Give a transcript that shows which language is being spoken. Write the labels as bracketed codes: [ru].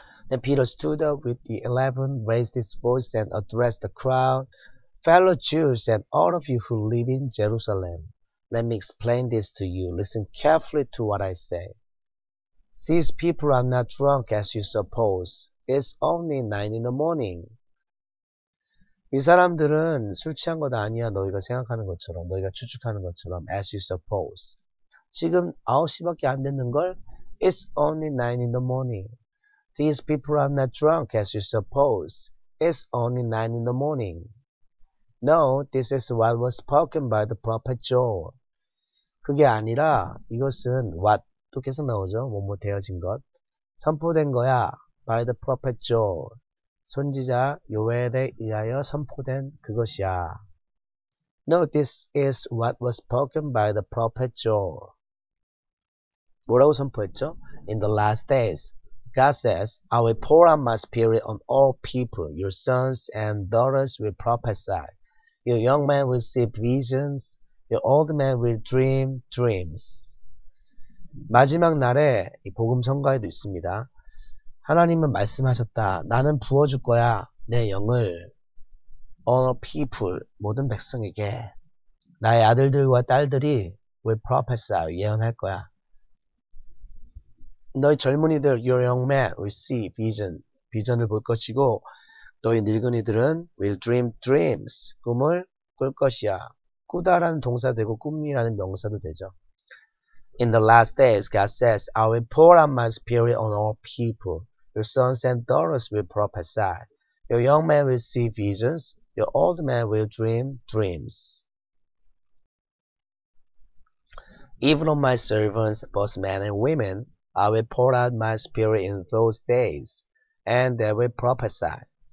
[en] Then Peter stood up with the 11, raised his voice and addressed the crowd. Fellow Jews and all of you who live in Jerusalem, let me explain this to you. Listen carefully to what I say. These people are not drunk as you suppose. It's only 9 in the morning. [ko] 이 사람들은 술 취한 것도 아니야. 너희가 생각하는 것처럼, 너희가 추측하는 것처럼, [en] as you suppose. [ko] 지금 9시밖에 안 됐는걸? [en] It's only 9 in the morning. These people are not drunk as you suppose. It's only 9 in the morning. No, this is what was spoken by the prophet Joel. [ko] 그게 아니라 이것은 what, 또 계속 나오죠. 뭐뭐 되어진 것. 선포된 거야. [en] By the prophet Joel. [ko] 선지자 요엘에 의하여 선포된 그것이야. [en] No, this is what was spoken by the prophet Joel. [ko] 뭐라고 선포했죠? [en] In the last days, God says, I will pour out my spirit on all people. Your sons and daughters will prophesy. Your young men will see visions. Your old men will dream dreams. [ko] 마지막 날에 이 복음 선거에도 있습니다. 하나님은 말씀하셨다. 나는 부어줄 거야. 내 영을. [en] All people, [ko] 모든 백성에게. 나의 아들들과 딸들이 [en] will prophesy, [ko] 예언할 거야. 너희 젊은이들, [en] your young men will see vision, [ko] 비전을 볼 것이고, 너희 늙은이들은 [en] will dream dreams, [ko] 꿈을 꿀 것이야. 꾸다라는 동사 되고, 꿈이라는 명사도 되죠. [en] In the last days, God says, I will pour out my spirit on all people. Your sons and daughters will prophesy. Your young men will see visions. Your old men will dream dreams. Even on my servants, both men and women, I will pour out my spirit in those days, and they will prophesy.